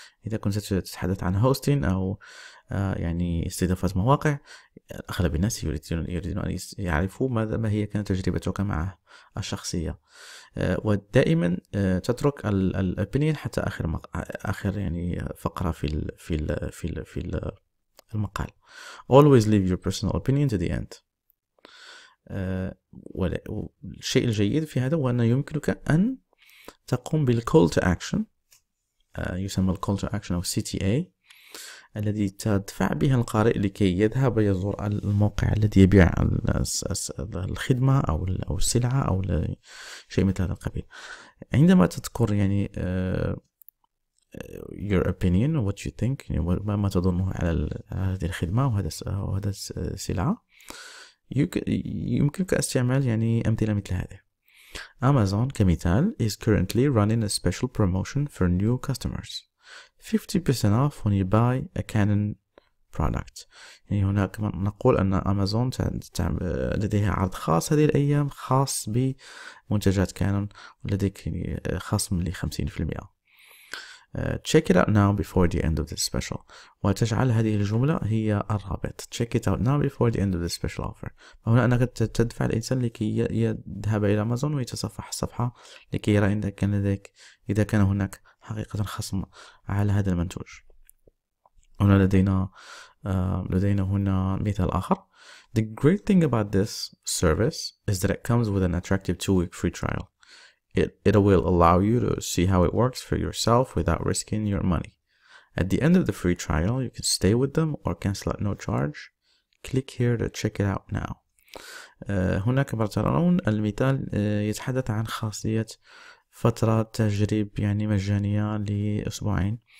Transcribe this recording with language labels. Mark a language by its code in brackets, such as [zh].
[ar] إذا كنت تتحدث عن هوستين أو يعني استضافة مواقع، أغلب الناس يريدون أن يعرفوا ما هي كانت تجربتك معه الشخصية. ودائما تترك الأوبينيون حتى آخر يعني فقرة في المقال. [en] Always leave your personal opinion to the end. [ar] والشيء الجيد في هذا هو أن يمكنك أن تقوم بالcall to action، يسمى الcall to action أو CTA، الذي تدفع بها القارئ لكي يذهب يزور الموقع الذي يبيع الخدمة أو السلعة أو شيء مثل هذا القبيل. عندما تذكر يعني [en] your opinion what you think، [ar] يعني ما تظنه على هذه الخدمة وهذا السلعة، يمكنك استعمال يعني أمثلة مثل هذه. [en] Amazon كمثال is currently running a special promotion for new customers. 50% off when you buy a Canon product. [ar] يعني هناك نقول أن أمازون لديها عرض خاص هذه الأيام خاص بمنتجات كانون، ولديك خصم ل 50%. [en] Check it out now before the end of this special. [ar] وتجعل هذه الجملة هي الرابط. [en] Check it out now before the end of this special offer. [ar] هنا أنك تدفع الإنسان لكي يذهب إلى أمازون ويتصفح الصفحة لكي يرى إذا كان هناك حقيقة خصم على هذا المنتوج. هنا لدينا هنا مثال آخر. [en] The great thing about this service is that it comes with an attractive 2-week free trial. It will allow you to see how it works for yourself without risking your money. At the end of the free trial, you can stay with them or cancel at no charge. Click here to check it out now. [ar] هناك برترون المثال يتحدث عن خاصية فترة تجريب يعني مجانية لأسبوعين.